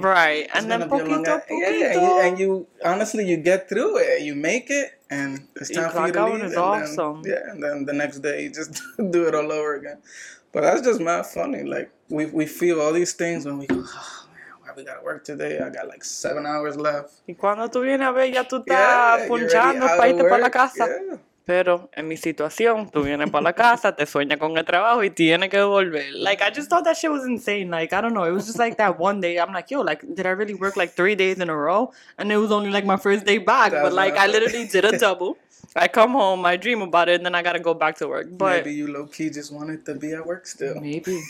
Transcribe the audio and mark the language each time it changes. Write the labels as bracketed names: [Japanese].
[English] Right. It's and then poquito. And you, honestly, you get through it. You make it, and it's time for you to leave. It's awesome. Then, yeah, and then the next day, you just do it all over again. But that's just not funny. Like, we feel all these things when we go, we got to work today. I got like 7 hours left. [Spanish] Y cuando tú vienes a ver, ya tú estás punchando para irte para la casa. [English] Yeah. [Spanish] Pero en mi situación, tú vienes para la casa, te sueñas con el trabajo y tienes que volver. [English] Like, I just thought that shit was insane. Like, I don't know. It was just like that one day. I'm like, yo, like, did I really work like 3 days in a row? And it was only like my first day back. That's but like, I literally did a double. I come home, I dream about it, and then I got to go back to work. But maybe you low-key just wanted to be at work still. Maybe.